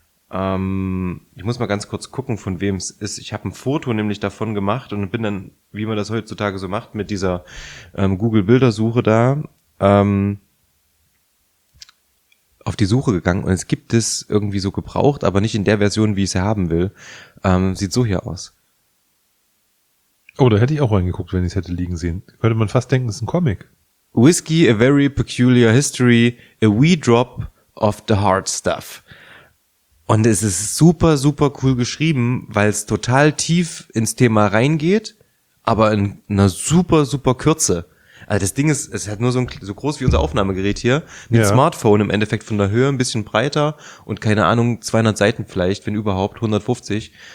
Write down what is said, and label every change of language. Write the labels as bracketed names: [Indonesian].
[German] Ich muss mal ganz kurz gucken, von wem es ist. Ich habe ein Foto nämlich davon gemacht und bin dann, wie man das heutzutage so macht, mit dieser Google-Bildersuche da auf die Suche gegangen und es gibt es irgendwie so gebraucht, aber nicht in der Version, wie ich es haben will. Sieht so hier aus. Oh, da hätte ich auch reingeguckt, wenn ich es hätte liegen sehen. Könnte man fast denken, es ist ein Comic. [English] Whiskey, a very peculiar history, a wee drop of the hard stuff. [German] Und es ist super, super cool geschrieben, weil es total tief ins Thema reingeht, aber in einer super, super Kürze. Also das Ding ist, es hat nur so groß wie unser Aufnahmegerät hier, mit Smartphone im Endeffekt von der Höhe ein bisschen breiter und keine Ahnung, 200 Seiten vielleicht, wenn überhaupt, 150.